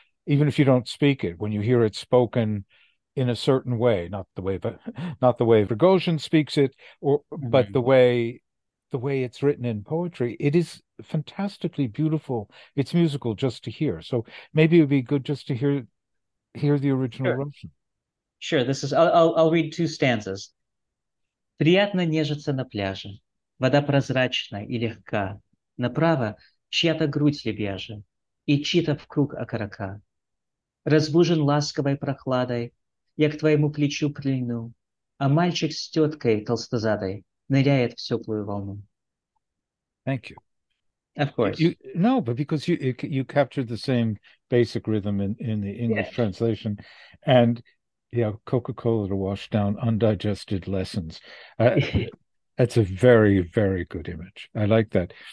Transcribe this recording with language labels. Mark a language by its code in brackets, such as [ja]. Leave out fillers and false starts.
[en] Even if you don't speak it, when you hear it spoken in a certain way, not the way, but not the way Rogozhin speaks it, or but the way it's written in poetry, it is fantastically beautiful. It's musical just to hear. So maybe it would be good just to hear the original Russian. Sure, this is I'll read two stanzas. [ru] Приятно нежиться на пляже. Вода прозрачна и легка. Направо чья-то грудь лебяжа и чьи-то в круг окорока. Разбужен ласковой прохладой, я к твоему плечу прильну, а мальчик с теткой толстозадой ныряет в теплую волну. [en] Thank you. Of You course. no, but because you captured the same basic rhythm in the English translation, and Coca-Cola to wash down undigested lessons. That's a very, very good image. I like that.